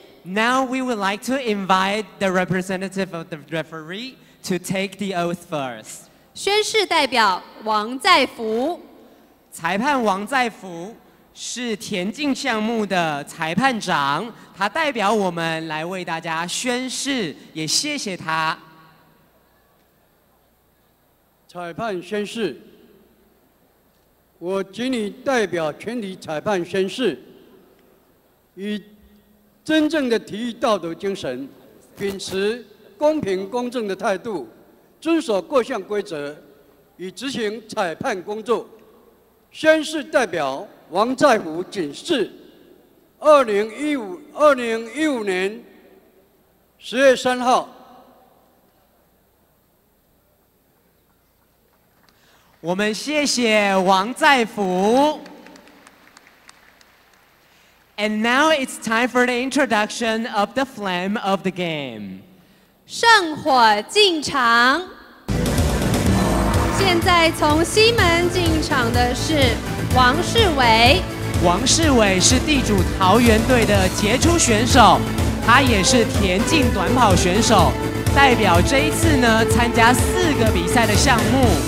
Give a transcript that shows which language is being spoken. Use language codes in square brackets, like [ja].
[en] Now we would like to invite the representative of the referee to take the oath for us. [zh] 宣誓代表王在福。裁判王在福是田径项目的裁判长，他代表我们来为大家宣誓，也谢谢他。裁判宣誓，我请你代表全体裁判宣誓，以真正的体育道德精神，秉持公平公正的态度，遵守各项规则，以执行裁判工作。宣誓代表王在福谨誓，2015年10月3号。我们谢谢王在福。 [en] And now it's time for the introduction of the flame of the game. [zh] 圣火进场。现在从西门进场的是王世伟。王世伟是地主桃园队的杰出选手，他也是田径短跑选手，代表这一次呢参加4个比赛的项目。